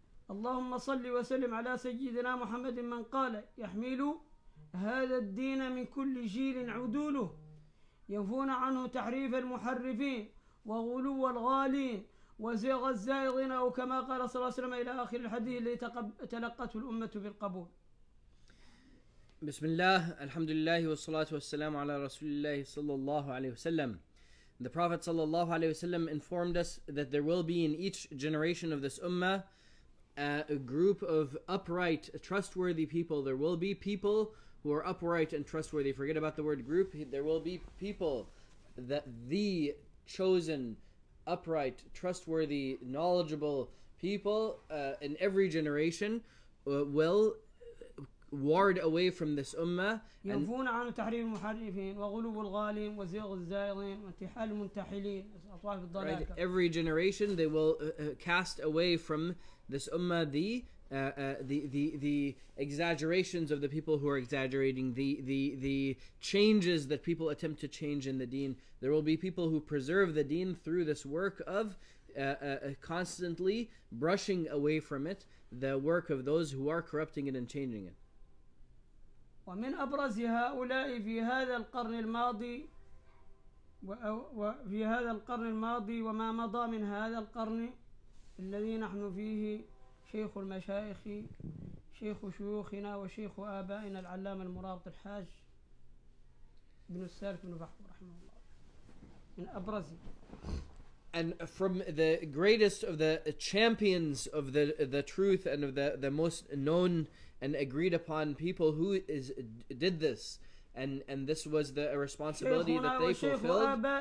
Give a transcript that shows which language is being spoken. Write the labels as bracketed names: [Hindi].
[Arabic] اللهم صل وسلم على سيدنا محمد، من قال: يحمل هذا الدين من كل جيل عدوله، ينفون عنه تحريف المحرفين وغلو الغالين وزيغ الزائغين، أو كما قال صلى الله عليه وسلم، إلى آخر الحديث الذي تلقته الأمة بالقبول. بسم الله، الحمد لله، والصلاة والسلام على رسول الله صلى الله عليه وسلم. [English] The Prophet sallallahu alayhi wasallam informed us that there will be in each generation of this ummah a group of upright, trustworthy people. There will be people who are upright and trustworthy. Forget about the word group. There will be people that the chosen, upright, trustworthy, knowledgeable people in every generation will ward away from this ummah. [Arabic] ينفون عن تحريف المحرفين وغلو الغالين وزيغ الزائغين وانتحال المنتحلين أطواف الضلالة. [English] Right. Every generation they will cast away from this ummah the exaggerations of the people who are exaggerating, the changes that people attempt to change in the deen. There will be people who preserve the deen through this work of constantly brushing away from it the work of those who are corrupting it and changing it. [Arabic] ومن أبرز هؤلاء في هذا القرن الماضي وفي هذا القرن الماضي وما مضى من هذا القرن الذي نحن فيه شيخ المشايخ شيخ شيوخنا وشيخ آبائنا العلامة المرابط الحاج بن السالك بن فحوة رحمه الله. من أبرز [English] And from the greatest of the champions of the truth and of the most known and agreed upon people who is did this, and this was the responsibility that they fulfilled.